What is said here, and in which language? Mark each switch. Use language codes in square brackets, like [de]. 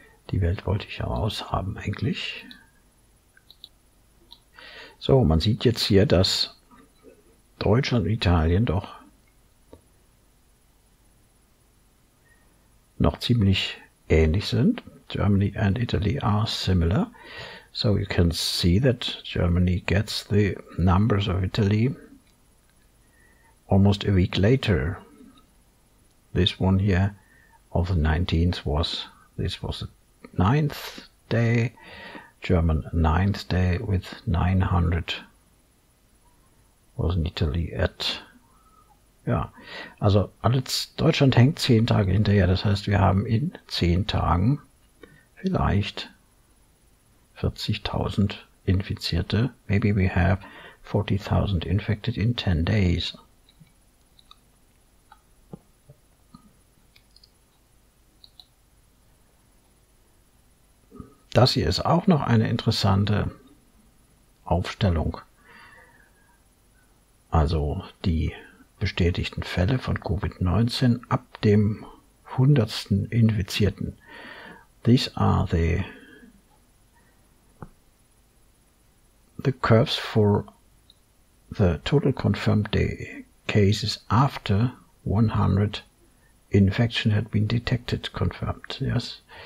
[de] Die Welt wollte ich ja raushaben eigentlich. So, man sieht jetzt hier, dass Deutschland und Italien doch noch ziemlich ähnlich sind. [en] Germany and Italy are similar. So you can see that Germany gets the numbers of Italy almost a week later. This one here of the 19th was, this was the 9th day, German 9th day with 900 was in Italy at, [de] ja, also alles, Deutschland hängt 10 Tage hinterher, das heißt wir haben in 10 Tagen vielleicht 40.000 Infizierte. [en] Maybe we have 40.000 infected in 10 days. [de] Das hier ist auch noch eine interessante Aufstellung. Also die bestätigten Fälle von Covid-19 ab dem 100. Infizierten. [en] These are the curves for the total confirmed cases after 100 infection had been detected, confirmed, yes.